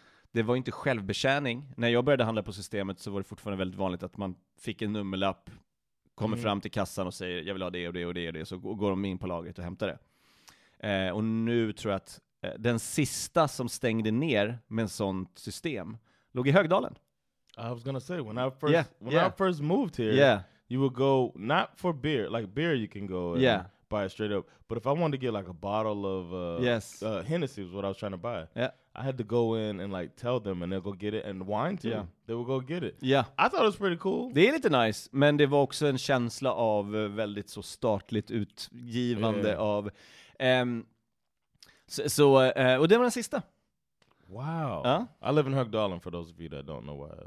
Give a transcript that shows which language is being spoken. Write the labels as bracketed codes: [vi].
[sv] Det var inte självbetjäning. När jag började handla på systemet så var det fortfarande väldigt vanligt att man fick en nummerlapp, kommer fram till kassan och säger jag vill ha det och det och det och det, så går de in på lagret och hämtar det. Och nu tror jag att den sista som stängde ner med ett sånt system låg i Högdalen. [en] I was gonna say when I first moved here, yeah. You would go not for beer, like beer you can go and buy it straight up, but if I wanted to get like a bottle of Hennessy was what I was trying to buy. Yeah. I had to go in and like tell them and they'll go get it and wine too. Yeah. They will go get it. Yeah. I thought it was pretty cool. [sv] Det är lite nice, men det var också en känsla av väldigt så statligt utgivande av och det var den sista. [en] Wow. [sv] Ja? [en] I live in Högdalen for those of you that don't know why.